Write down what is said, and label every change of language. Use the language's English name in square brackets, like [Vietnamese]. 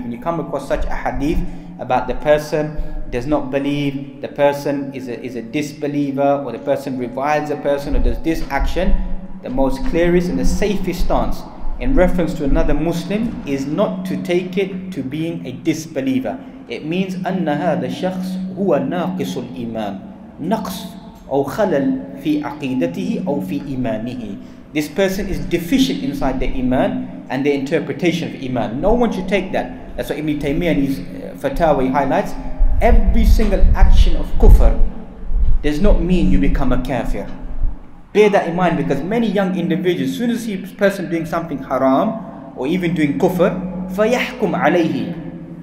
[English] When you come across such a hadith about the person does not believe, the person is a disbeliever, or the person reviles a person or does this action, the most clearest and the safest stance in reference to another Muslim is not to take it to being a disbeliever. It means [Arabic] أن هذا الشخص هو ناقص الإيمان. نقص أو خلل في عقيدته أو في إيمانه. [English] This person is deficient inside the Iman and the interpretation of Iman. No one should take that. That's what Ibn Taymiyyah in his fatwa highlights. Every single action of kufr does not mean you become a kafir. Bear that in mind, because many young individuals, as soon as you see a person doing something haram or even doing kufr, [Arabic] فَيَحْكُمْ عَلَيْهِ